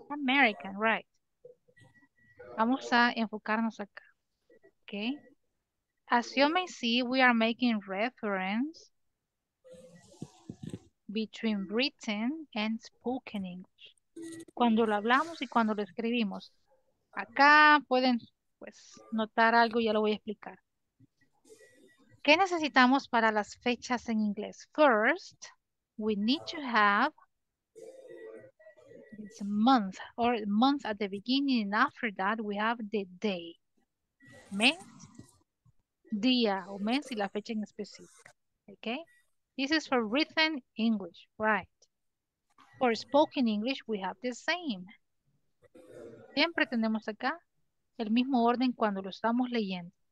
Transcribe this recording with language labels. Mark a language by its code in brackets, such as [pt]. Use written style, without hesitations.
[en] American, right. [es] Vamos a enfocarnos acá. Okay. [en] As you may see, we are making reference between written and spoken English. [es] Cuando lo hablamos y cuando lo escribimos. Acá pueden pues notar algo, ya lo voy a explicar. ¿Qué necesitamos para las fechas en inglés? [en] First, we need to have this month, or month at the beginning, and after that we have the day. [es] Mes, día, o mes y la fecha en específico. Okay? [en] This is for written English, right? For spoken English, we have the same. [es] Siempre tenemos acá el mismo orden cuando lo estamos leyendo.